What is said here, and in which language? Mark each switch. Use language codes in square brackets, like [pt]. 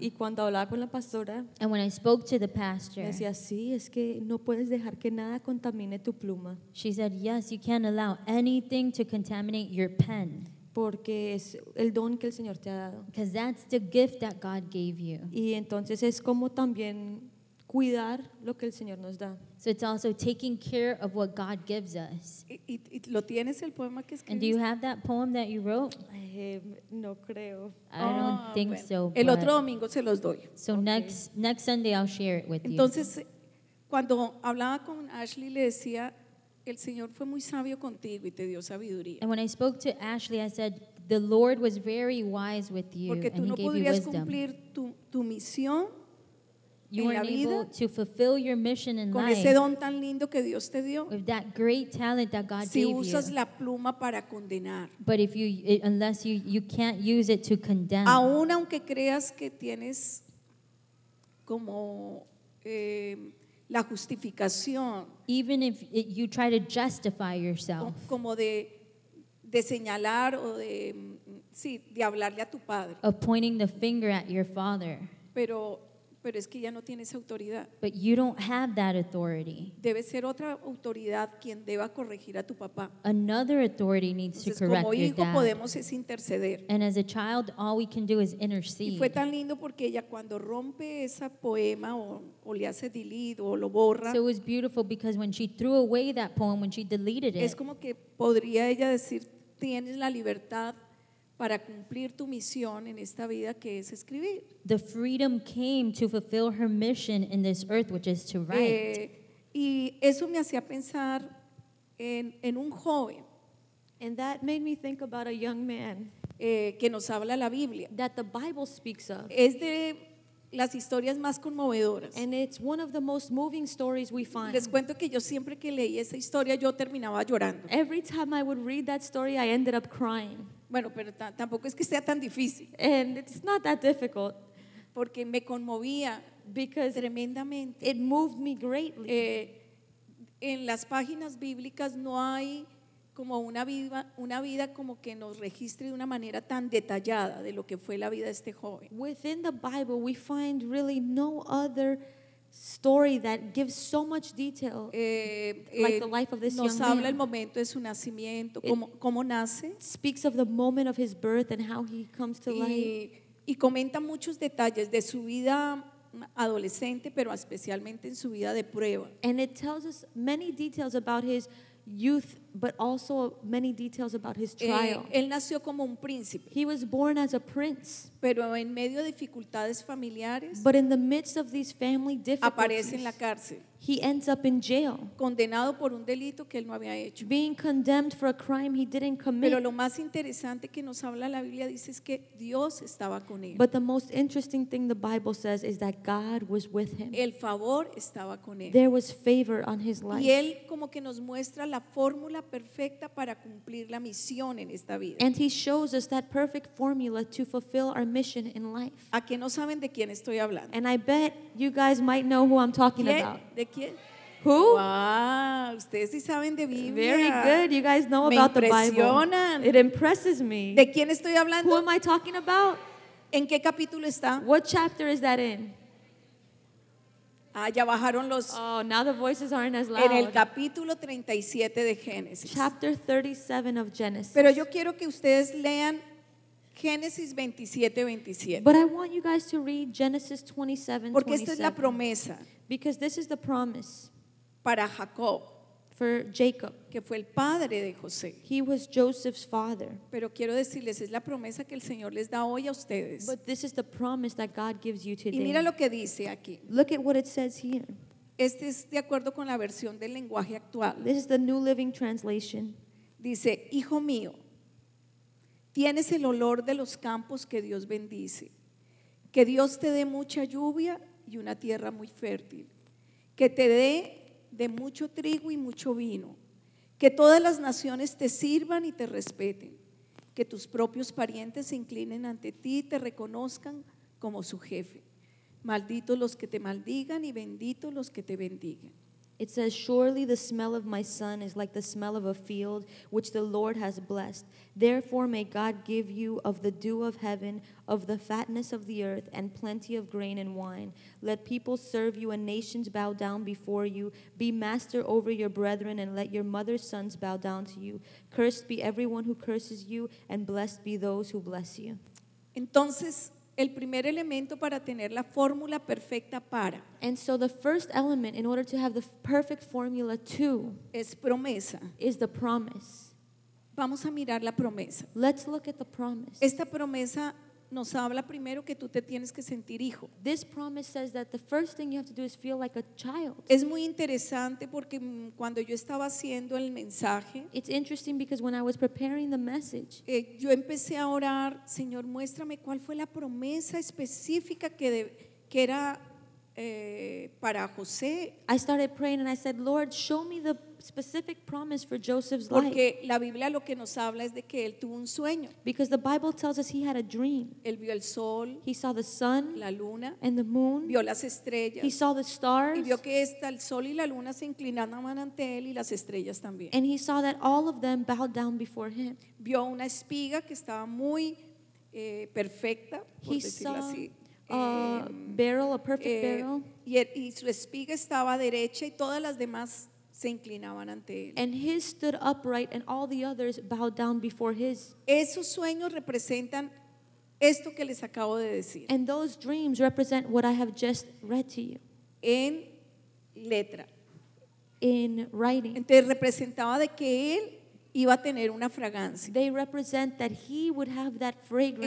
[es] Y cuando hablaba con la pastora, [en] and when I spoke to the pastor, [es] me decía, sí, es que no puedes dejar que nada contamine tu pluma. [en] She said, yes, you can't allow anything to contaminate your pen. [es] Porque es el don que el Señor te ha dado. [en] Because that's the gift that God gave you. [es] Y entonces es como también cuidar lo que el Señor nos da. [en] So it's also taking care of what God gives us. [es] Y lo tienes el poema que escribiste. [en] And do you have that poem that you wrote? [es] No creo. [en] I don't think so. [es] El otro domingo se los doy. [en] Next Sunday I'll share it with [es] entonces, [en] you. [es] Entonces, cuando hablaba con Ashley le decía, el Señor fue muy sabio contigo y te dio sabiduría. [en] And when I spoke to Ashley, I said, the Lord was very wise with you, [es] porque [en] and [es] tú [en] he [es] no [en] gave [es] podrías [en] you wisdom. [es] Cumplir tu misión [en] you [es] en la [en] able [es] vida [en] to fulfill your mission in [es] con [en] life [es] ese don tan lindo que Dios te dio. [en] With that great talent that God [es] si [en] gave [es] usas [en] you. [es] La pluma para condenar. [en] But if you, unless you can't use it to condemn. [es] Aún aunque creas que tienes como la justificación, [en] even if you try to justify yourself, [es] como de señalar o de sí, de hablarle a tu padre, [en] of pointing the finger at your father, [es] pero es que ya no tienes autoridad, [en] but you don't have that authority. [es] Debe ser otra autoridad quien deba corregir a tu papá. [en] Another authority needs [es] entonces, [en] to correct [es] como hijo [en] your dad. [es] Podemos es interceder. [en] And as a child, all we can do is intercede. [es] Y fue tan lindo porque ella cuando rompe ese poema o le hace delete o lo borra. [en] So it was beautiful because when she threw away that poem, when she deleted it, [es] es como que podría ella decir, tienes la libertad para cumplir tu misión en esta vida que es escribir. [en] The freedom came to fulfill her mission in this earth, which is to write. [es] Y eso me hacía pensar en un joven. [en] And that made me think about a young man. [es] Que nos habla la Biblia. [en] That the Bible speaks of. [es] Es de las historias más conmovedoras. [en] And it's one of the most moving stories we find. [es] Les cuento que yo siempre que leí esa historia yo terminaba llorando. [en] Every time I would read that story I ended up crying. [es] Bueno, pero tampoco es que sea tan difícil. [en] And it's not that difficult. [es] Porque me conmovía. [en] Because [es] tremendamente. [en] It moved me greatly. [es] En las páginas bíblicas no hay como una vida como que nos registre de una manera tan detallada de lo que fue la vida de este joven. [en] Within the Bible we find really no other story that gives so much detail like the life of this young man. [es] Nos habla el momento de su nacimiento, cómo nace. [en] Speaks of the moment of his birth and how he comes to life. [es] Y comenta muchos detalles de su vida adolescente, pero especialmente en su vida de prueba. [en] And it tells us many details about his youth, but also many details about his trial. [es] Él nació como un príncipe. [en] He was born as a prince. [es] Pero en medio de dificultades familiares, [en] but in the midst of these family difficulties, [es] aparece en la cárcel. [en] He ends up in jail. [es] Condenado por un delito que él no había hecho. [en] Being condemned for a crime he didn't commit. [es] Pero lo más interesante que nos habla la Biblia dice es que Dios estaba con él. [en] But the most interesting thing the Bible says is that God was with him. [es] El favor estaba con él. [en] There was favor on his life. [es] Y él como que nos muestra la fórmula perfecta para cumplir la misión en esta vida. [en] And he shows us that perfect formula to fulfill our mission in life. [es] ¿A que no saben de quién estoy hablando? [en] And I bet you guys might know who I'm talking [es] ¿quién? [en] About. [es] ¿De quién? [en] Who? Wow, [es] ustedes sí saben de Biblia. [en] Very good. You guys know [es] me [en] about [es] impresionan. [en] The Bible. It impresses me. [es] ¿De quién estoy hablando? [en] Who am I talking about? [es] ¿En qué capítulo está? [en] What chapter is that in? [es] Ah, ya bajaron los. [en] Oh, now the voices aren't as loud. [es] En el capítulo 37 de Génesis. [en] Chapter 37 of Genesis. [es] Pero yo quiero que ustedes lean Génesis 27:27. [en] But I want you guys to read Genesis 27:27. [es] Porque esta es la promesa. [en] Because this is the promise. [es] Para Jacob. [en] For Jacob. [es] Que fue el padre de José. [en] He was Joseph's father. [es] Pero quiero decirles, es la promesa que el Señor les da hoy a ustedes. [en] But this is the promise that God gives you today. [es] Y mira lo que dice aquí. [en] Look at what it says here. [es] Este es de acuerdo con la versión del lenguaje actual. [en] This is the New Living Translation. [es] Dice, hijo mío, tienes el olor de los campos que Dios bendice. Que Dios te dé mucha lluvia y una tierra muy fértil. Que te dé de mucho trigo y mucho vino, que todas las naciones te sirvan y te respeten, que tus propios parientes se inclinen ante ti y te reconozcan como su jefe. Malditos los que te maldigan y benditos los que te bendigan. [en] It says, surely the smell of my son is like the smell of a field which the Lord has blessed. Therefore may God give you of the dew of heaven, of the fatness of the earth, and plenty of grain and wine. Let people serve you and nations bow down before you. Be master over your brethren and let your mother's sons bow down to you. Cursed be everyone who curses you and blessed be those who bless you. [es] Entonces, el primer elemento para tener la fórmula perfecta para. [en] And so the first element in order to have the perfect formula to [es] es promesa. [en] Is the promise. [es] Vamos a mirar la promesa. [en] Let's look at the promise. [es] Esta promesa nos habla primero que tú te tienes que sentir hijo. [en] This promise says that the first thing you have to do is feel like a child. [es] Es muy interesante porque cuando yo estaba haciendo el mensaje, [en] it's interesting because when I was preparing the message, [es] yo empecé a orar, Señor, muéstrame cuál fue la promesa específica que era para José. [en] I started praying and I said, Lord, show me the specific promise for Joseph's [es] porque [en] life. [es] Porque la Biblia lo que nos habla es de que él tuvo un sueño. [en] Because the Bible tells us he had a dream. [es] Él vio el sol. [en] He saw the sun. [es] La luna. [en] And the moon. [es] Vio las estrellas. [en] He saw the stars. [es] Y vio que esta, el sol y la luna se inclinaban ante él y las estrellas también. [en] And he saw that all of them bowed down before him. [es] Vio una espiga que estaba muy perfecta, por [en] he [es] decirlo [en] saw [es] así. [en] Barrel, a perfect barrel. [es] Y su espiga estaba derecha y todas las demás se inclinaban ante él. [en] And his stood upright and all the others bowed down before his. [es] Esos sueños representan esto que les acabo de decir. [en] And those dreams represent what I have just read to you. [es] En letra. [en] In writing. [es] Entonces representaba de que él iba a tener una fragancia. [en] They represent that he would have that fragrance.